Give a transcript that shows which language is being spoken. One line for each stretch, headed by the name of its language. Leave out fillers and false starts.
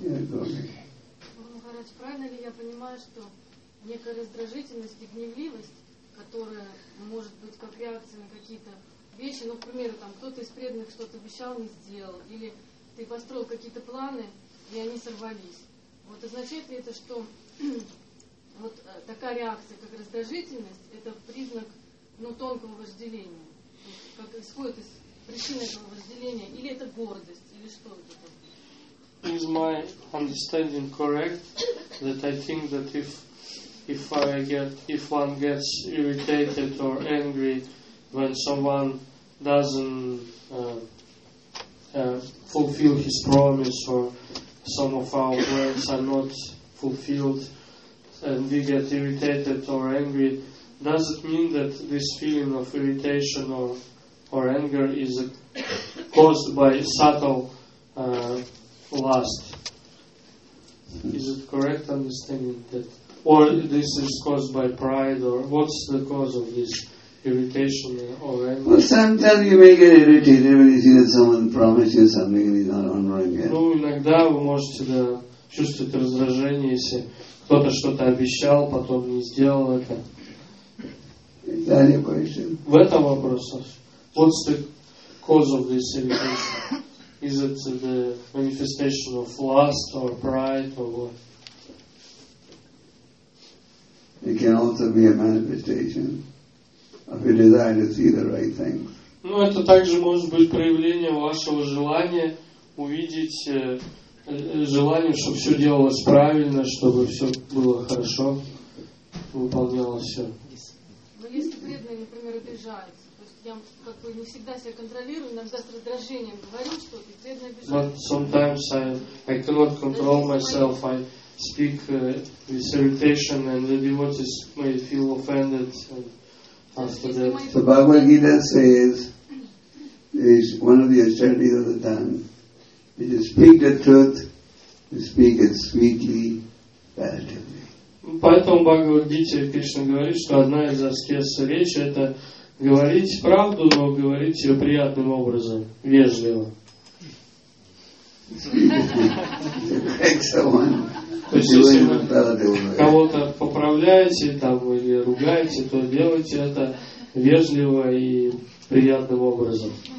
Russian: Махарадж, правильно ли я понимаю, что некая раздражительность и гневливость, которая может быть как реакция на какие-то вещи, ну, к примеру, там кто-то из преданных что-то обещал, не сделал, или ты построил какие-то планы, и они сорвались. Вот означает ли это, что вот такая реакция, как раздражительность, это признак, ну, тонкого вожделения? То есть, как исходит из причины этого вожделения? Или это гордость? Или что это такое?
English: Is my understanding correct that I think that if one gets irritated or angry when someone doesn't fulfill his promise or some of our words are not fulfilled, and we get irritated or angry, does it mean that this feeling of irritation or anger is caused by subtle lust? Is it correct understanding that? Or this is caused by pride, or what's the cause of this irritation or anger? Well, sometimes you may get irritated when you see that someone promised you something and he's not honoring it.
Russian: Ну, иногда вы можете, да, чувствовать раздражение, если кто-то что-то обещал, потом не сделал это. Далее question. В этом вопросе.
English: What's the cause of this irritation? Is it the manifestation of lust or pride or what? It can also be a manifestation of your desire to see the right things.
Russian: Ну, это также может быть проявлением вашего желания увидеть, желанием, чтобы все делалось правильно, чтобы все было хорошо, выполнялось все. Но если преданный, например, обижается, то есть я как бы не всегда себя контролирую, иногда с раздражением говорю что-то, и преданный обижается.
English: But sometimes I cannot control myself. I speak with irritation and the devotees may feel offended after that. The Bhagavad Gita says, is one of the acharyas of the time, if you speak the truth, you speak it sweetly, palatably.
Russian: Поэтому Бхагавад Гите Кришна говорит, что одна из аскез речи – это говорить правду, но говорить ее приятным образом, вежливо.
English: Excellent.
Russian: То есть, если вы кого-то поправляете там, или ругаете, то делайте это вежливо и приятным образом.